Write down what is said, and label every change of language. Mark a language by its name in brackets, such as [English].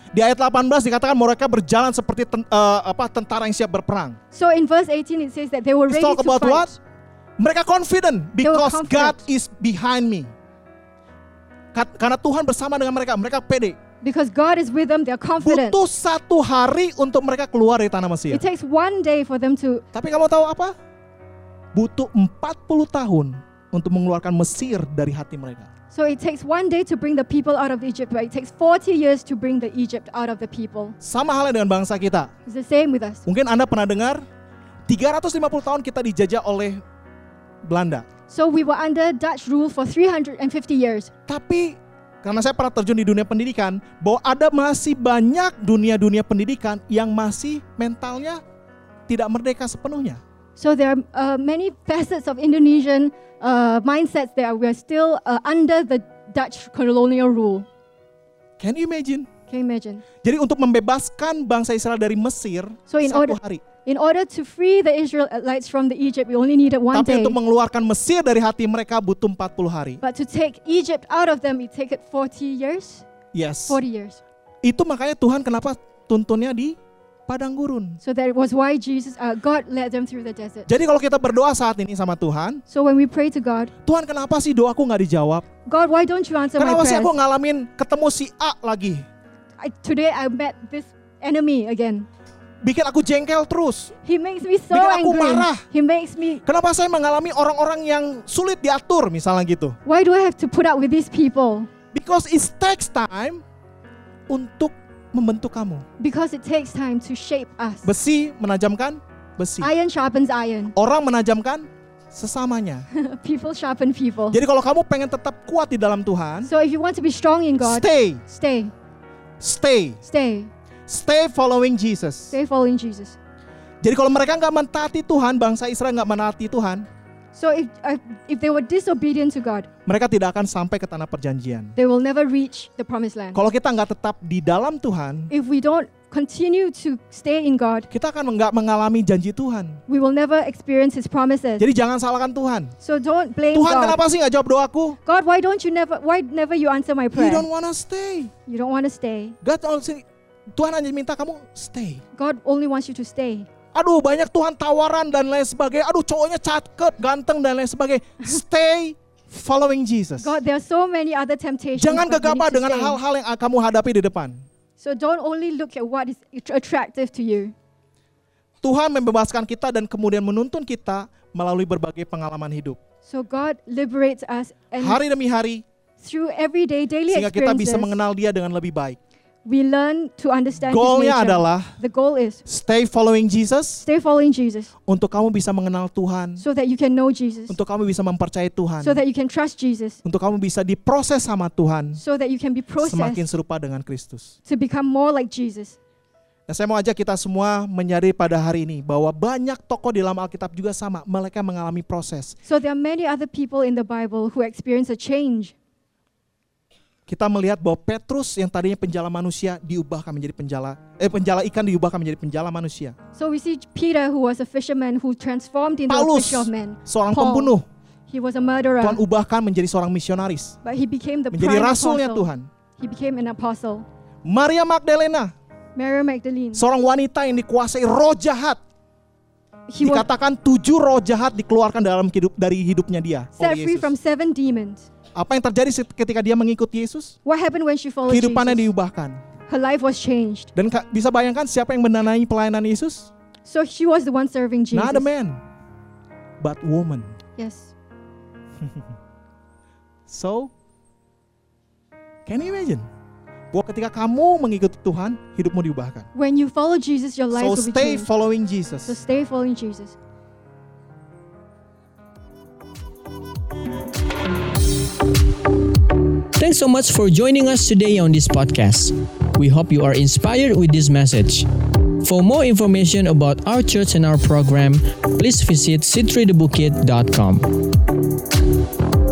[Indonesian] Di ayat 18 dikatakan mereka berjalan seperti tentara yang siap berperang. [English] So in verse 18 it says that they were ready to fight. Talk about what? [Indonesian] Mereka [English] confident because God is behind me. [Indonesian] Karena Tuhan bersama dengan mereka, mereka pede. [English] Because God is with them, they are confident. [Indonesian] Butuh satu hari untuk mereka keluar dari tanah Mesir. [English] It takes one day for them to. [Indonesian] Tapi kamu tahu apa? Butuh 40 tahun untuk mengeluarkan Mesir dari hati mereka. [English] So it takes one day to bring the people out of Egypt, but it takes 40 years to bring the Egypt out of the people. [Indonesian] Sama halnya dengan bangsa kita. [English] It's the same with us. [Indonesian] Mungkin Anda pernah dengar 350 tahun kita dijajah oleh Belanda. [English] So we were under Dutch rule for 350 years. [Indonesian] Tapi karena saya pernah terjun di dunia pendidikan, bahwa ada masih banyak dunia-dunia pendidikan yang masih mentalnya tidak merdeka sepenuhnya. [English] So there are many facets of Indonesian mindsets that we are still under the Dutch colonial rule. Can you imagine? Can you imagine? [Indonesian] Jadi untuk membebaskan bangsa Israel dari Mesir, [English] so [Indonesian] satu hari. [English] In order to free the Israelites from the Egypt, we only needed one [Indonesian] tapi [English] day. [Indonesian] Tapi untuk mengeluarkan Mesir dari hati mereka butuh 40 hari. [English] But to take Egypt out of them, it take it 40 years. Yes. 40 years. [Indonesian] Itu makanya Tuhan kenapa tuntunnya di padang gurun. [English] So that was why Jesus, God led them through the desert. [Indonesian] Jadi kalau kita berdoa saat ini sama Tuhan, [English] so when we pray to God, [Indonesian] Tuhan kenapa sih doaku nggak dijawab? [English] God, why don't you answer [Indonesian] kenapa [English] my prayers? [Indonesian] Kenapa sih aku ngalamin ketemu si A lagi? [English] Today I met this enemy again. [Indonesian] Bikin aku jengkel terus. [English] He makes me so angry. [Indonesian] Bikin aku marah. [English] He makes me. [Indonesian] Kenapa saya mengalami orang-orang yang sulit diatur, misalnya gitu? [English] Why do I have to put up with these people? Because it takes time [Indonesian] untuk membentuk kamu. [English] Because it takes time to shape us. [Indonesian] Besi menajamkan besi. [English] Iron sharpens iron. [Indonesian] Orang menajamkan sesamanya. [English] People sharpen people. [Indonesian] Jadi kalau kamu pengen tetap kuat di dalam Tuhan, [English] so if you want to be strong in God, stay. Stay. Stay. Stay. Stay following Jesus. Stay following Jesus. [Indonesian] Jadi kalau mereka enggak mentaati Tuhan, bangsa Israel enggak menaati Tuhan. [English] So if they were disobedient to God, [Indonesian] mereka tidak akan sampai ke tanah perjanjian. [English] They will never reach the promised land. [Indonesian] Kalau kita enggak tetap di dalam Tuhan, [English] if we don't continue to stay in God, [Indonesian] kita akan enggak mengalami janji Tuhan. [English] We will never experience His promises. [Indonesian] Jadi jangan salahkan Tuhan. [English] So don't blame [Indonesian] Tuhan [English] God. [Indonesian] Tuhan kenapa sih enggak jawab doaku? [English] God, why never you answer my prayer? You don't wanna stay. You don't wanna stay. God only. [Indonesian] Tuhan hanya minta kamu stay. [English] God only wants you to stay. [Indonesian] Aduh, banyak Tuhan tawaran dan lain sebagainya. Aduh, cowoknya cakep, ganteng dan lain sebagainya. [English] Stay following Jesus. God, there are so many other temptations. [Indonesian] Jangan gegabah dengan hal-hal yang kamu hadapi di depan. [English] So don't only look at what is attractive to you. [Indonesian] Tuhan membebaskan kita dan kemudian menuntun kita melalui berbagai pengalaman hidup. [English] So God liberates us and [Indonesian] hari demi hari [English] through everyday daily experiences. [Indonesian] Sehingga kita bisa mengenal Dia dengan lebih baik. [English] We learn to understand His nature. [Indonesian] Goalnya adalah [English] the goal is stay following Jesus. [Indonesian] Untuk kamu bisa mengenal Tuhan. [English] So that you can know Jesus. [Indonesian] Untuk kamu bisa mempercayai Tuhan. [English] So that you can trust Jesus. [Indonesian] Untuk kamu bisa diproses sama Tuhan. [English] So that you can be processed. [Indonesian] Semakin serupa dengan Kristus. [English] To become more like Jesus. [Indonesian] Nah, saya mau ajak kita semua menyadari pada hari ini bahwa banyak tokoh di dalam Alkitab juga sama, mereka mengalami proses. [English] So there are many other people in the Bible who experience a change. [Indonesian] Kita melihat bahwa Petrus yang tadinya penjala manusia diubahkan menjadi penjala ikan diubahkan menjadi penjala manusia. [English] So we see Peter who was a fisherman who transformed into [Indonesian] Paulus, [English] a fisherman. [Indonesian] Seorang Paul, pembunuh. [English] He was a murderer. [Indonesian] Tuhan ubahkan menjadi seorang misionaris. [English] But he became the [Indonesian] menjadi [English] prime [Indonesian] rasulnya [English] apostle. [Indonesian] Tuhan. [English] He became an apostle. [Indonesian] Maria Magdalena. [English] Mary Magdalene. [Indonesian] Seorang wanita yang dikuasai roh jahat. Dikatakan 7 roh jahat dikeluarkan dalam hidup dari hidupnya dia. Set oleh free Yesus. [English] From 7 demons. [Indonesian] Apa yang terjadi ketika dia mengikuti Yesus? [English] What happened when she followed Jesus? [Indonesian] Kehidupannya diubahkan. [English] Her life was changed. [Indonesian] Dan bisa bayangkan siapa yang mendanai pelayanan Yesus? [English] So she was the one serving Jesus. Not a man, but woman. Yes. So, can you imagine? [Indonesian] Bahwa ketika kamu mengikuti Tuhan, hidupmu diubahkan. [English] When you follow Jesus, your life so will be stay changed. Following Jesus. So stay following Jesus. Thanks so much for joining us today on this podcast. We hope you are inspired with this message. For more information about our church and our program, please visit c3thebookit.com.